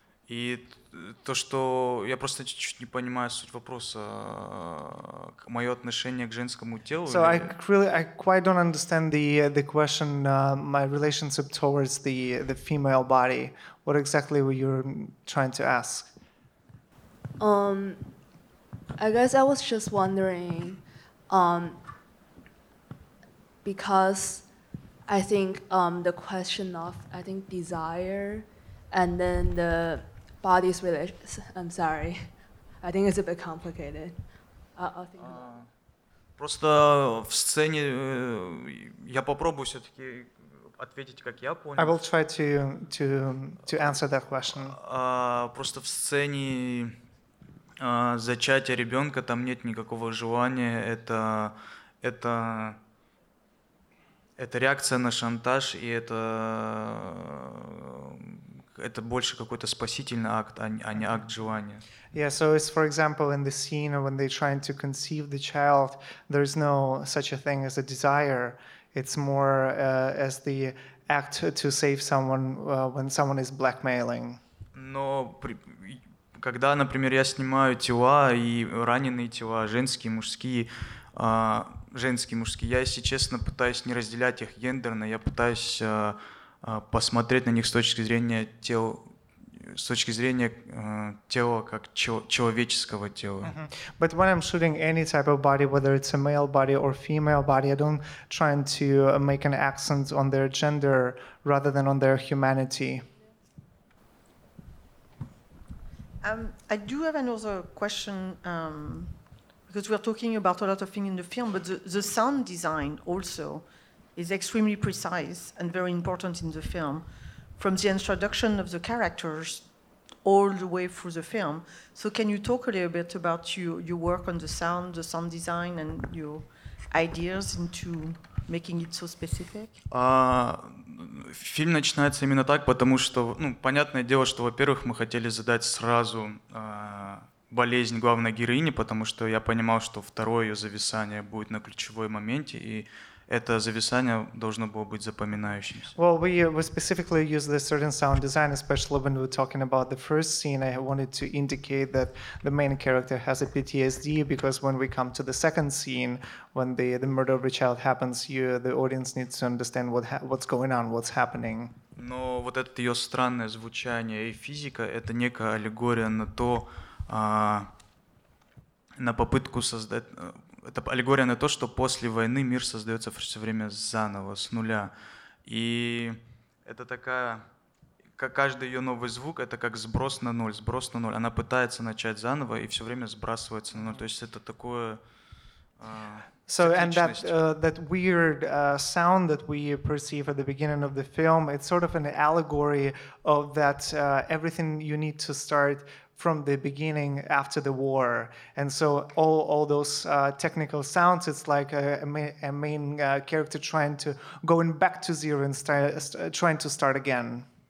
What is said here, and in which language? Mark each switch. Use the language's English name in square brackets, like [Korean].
[Russian] И то, что я просто чуть-чуть не понимаю суть вопроса, мое отношение к женскому телу. [English] So I quite don't understand the question, my relationship towards the female body. What exactly were you trying to ask? I guess I was just wondering, because I think the question of, I think, desire and then the body's relations, I'm sorry, I think it's a bit complicated. I'll think [Russian] просто в сцене я попробую все-таки ответить, как я понял. [English] I will try to answer that question. [Russian] Просто в сцене зачатие ребенка, там нет никакого желания, это реакция на шантаж, и это больше какой-то спасительный акт, а не акт желания. [English] Yeah, so it's, for example, in the scene when they're trying to conceive the child, there is no such a thing as a desire. It's more as the act to save someone when someone is blackmailing. [Russian] Но когда, например, я снимаю тела и раненые тела, женские, мужские, я, если честно, пытаюсь не разделять их гендерно, я пытаюсь посмотреть на них с точки зрения тела как человеческого тела. Mm-hmm. [English] But when I'm shooting any type of body, whether it's a male body or female body, I don't try to make an accent on their gender rather than on their humanity. I do have another question, because we're talking about a lot of things in the film, but the sound design also is extremely precise and very important in the film, from the introduction of the characters all the way through the film. So can you talk a little bit about your work on the sound design, and your ideas into making it so specific? [Russian] Фильм начинается именно так, потому что, ну, понятное дело, что, во-первых, мы хотели задать сразу болезнь главной героини, потому что я понимал, что второе ее зависание будет на ключевой моменте, и это зависание должно было быть запоминающимся. [English] Well, we specifically used a certain sound design, especially when we were talking about the first scene. I wanted to indicate that the main character has a PTSD, because when we come to the second scene, when the murder of a child happens, the audience needs to understand what's going on, what's happening. [Russian] Но вот это ее странное звучание и физика — это некая аллегория на то, на попытку создать... Это аллегория на то, что после войны мир создается все время заново, с нуля. И это такая, как каждый ее новый звук, это как сброс на ноль, сброс на ноль. Она пытается начать заново и все время сбрасывается на ноль. То есть это такое... [English] So, and that that weird sound that we perceive at the beginning of the film, it's sort of an allegory of that everything you need to start from the beginning after the war. And so all those technical sounds, it's like a main character trying to going back to zero and trying to start again.